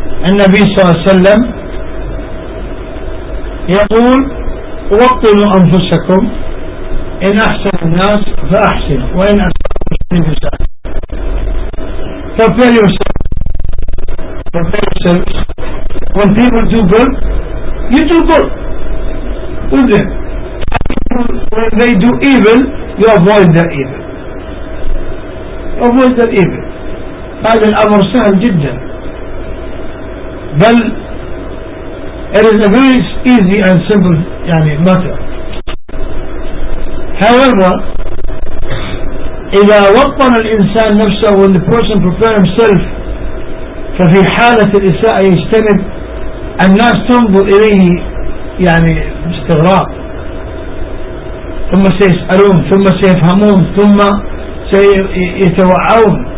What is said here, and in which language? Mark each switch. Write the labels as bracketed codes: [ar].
[ar] النبي صلى الله عليه وسلم يقول وقتلوا أنفسكم إن أحسن الناس فأحسن وإن أسرعوا فأحسن. [en] Prepare yourself. Prepare yourself. When people do good, you do good with them. When they do evil, you avoid their evil. Avoid their evil. [ar] هذا الأمر سهل جدا. بل [en] it is a very easy and simple matter. However, [ar] إذا وطن الإنسان نفسه, [en] when the person prepare himself, [ar] ففي حالة الإساءة يجتنب الناس تنظر إليه يعني باستغراب, ثم سيسألون, ثم سيفهمون, ثم سيتوعون.